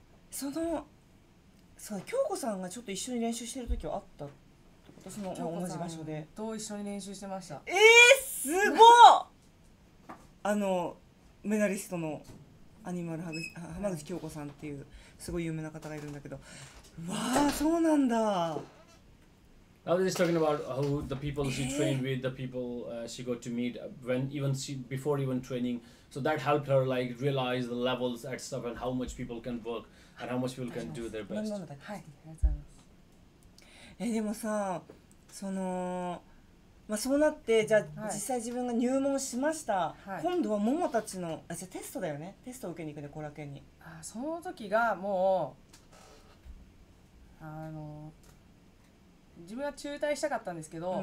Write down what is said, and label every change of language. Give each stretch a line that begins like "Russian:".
Japanese: そのそう京子さんがちょっと一緒に練習してる時はあったってこと、その同じ場所でと一緒に練習してました。すごっあのメダリストのアニマル浜口京子さんっていうすごい有名な方がいるんだけど、わあそうなんだ。
English: I was just talking about who the people she trained with, the people she got to meet when even she, before even training. So that helped her like realize the levels and stuff and how much people can work and how much people can do their best.
Japanese: はい、ありがとうございます。でもさ、その、まあそうなって、じゃあ実際自分が入門しました。はい、今度は桃たちの、あ、じゃあテストだよね。テストを受けに行くね、コラケに。あ、その時がもう、自分は中退したかったんですけど、